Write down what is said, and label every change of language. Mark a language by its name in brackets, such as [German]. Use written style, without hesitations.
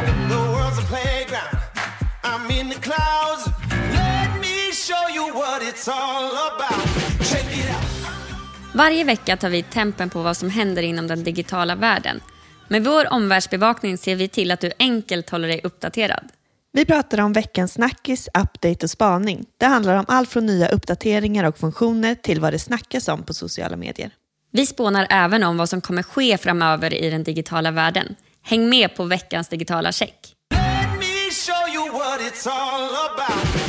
[English] The world's a playground. I'm in the clouds. Let me show you what it's all about. Check it out. [Swedish] Varje vecka tar vi tempen på vad som händer inom den digitala världen. Med vår omvärldsbevakning ser vi till att du enkelt håller dig uppdaterad. Vi pratar om veckans snackis, update och spaning. Det handlar om allt från nya uppdateringar och funktioner till vad det snackas om på sociala medier. Vi spånar även om vad som kommer ske framöver i den digitala världen. Häng med på veckans digitala check. [English] Let me show you what it's all about.